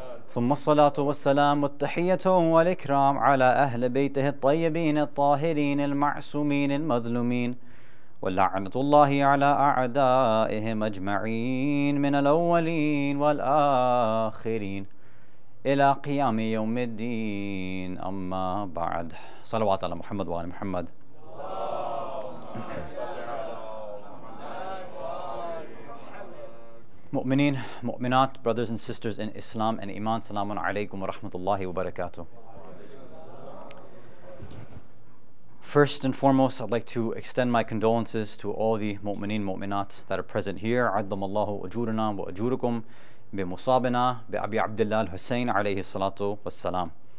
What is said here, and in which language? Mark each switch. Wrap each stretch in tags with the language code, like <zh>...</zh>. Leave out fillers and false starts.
<ar>ثم الصلاة والسلام والتحية والإكرام على أهل بيته الطيبين الطاهرين المعصومين المظلومين واللعنة الله على أعدائهم أجمعين من الأولين والآخرين إلى قيام يوم الدين أما بعد صلوات على محمد وآل محمد مؤمنين مؤمنات</ar> <en>brothers and sisters in Islam and Iman</en> <ar>سلام عليكم ورحمة الله وبركاته.</ar> <en>First and foremost, I'd like to extend my condolences to all the mu'mineen mu'minat that are present here.</en> <ar>عظم الله أجورنا وأجوركم بمصابنا بأبي عبد الله الحسين عليه الصلاة والسلام.</ar>